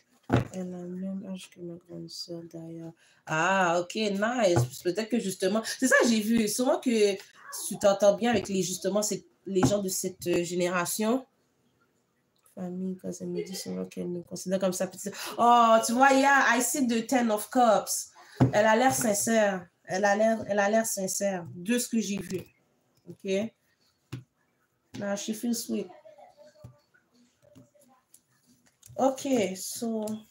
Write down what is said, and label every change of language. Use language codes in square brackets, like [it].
[fr] Elle a le même âge que ma grande soeur, d'ailleurs. Ah, [en] OK, nice. [fr] Peut-être que justement... C'est ça, j'ai vu. Souvent que tu t'entends bien avec les gens de cette génération... Famille, quand elle me dit souvent qu'elle me considère comme sa petite. Oh, tu vois, [en] yeah, I see the Ten of Cups. [fr] Elle a l'air sincère. Elle a l'air sincère de ce que j'ai vu. [en] OK? Now she feels sweet. OK, so.